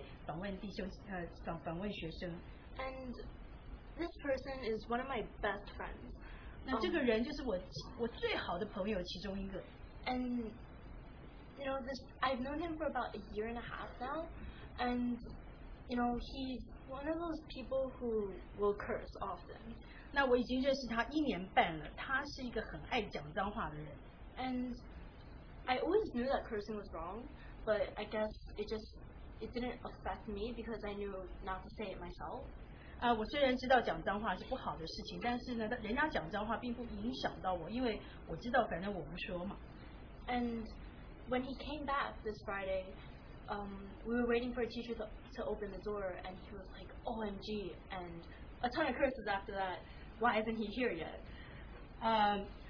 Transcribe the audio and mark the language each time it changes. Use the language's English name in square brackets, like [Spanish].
[Chinese] 那在刚过的星期五，在我们的学校有一个才艺表演，那其中一个毕业的人，他就回来访问学生。 [English] And this person is one of my best friends. [Chinese] 那这个人就是我最好的朋友其中一个。 [English] And you know, I've known him for about a year and a half now, and you know, he's one of those people who will curse often. [Chinese] 那我已经认识他一年半了，他是一个很爱讲脏话的人。 [English] And I always knew that cursing was wrong, but I guess it didn't affect me because I knew not to say it myself. [Chinese] 我虽然知道讲脏话是不好的事情，但是呢，人家讲脏话并不影响到我，因为我知道反正我不说嘛。 [English] And when he came back this Friday, we were waiting for a teacher to open the door, and he was like, OMG, and a ton of curses after that. Why isn't he here yet?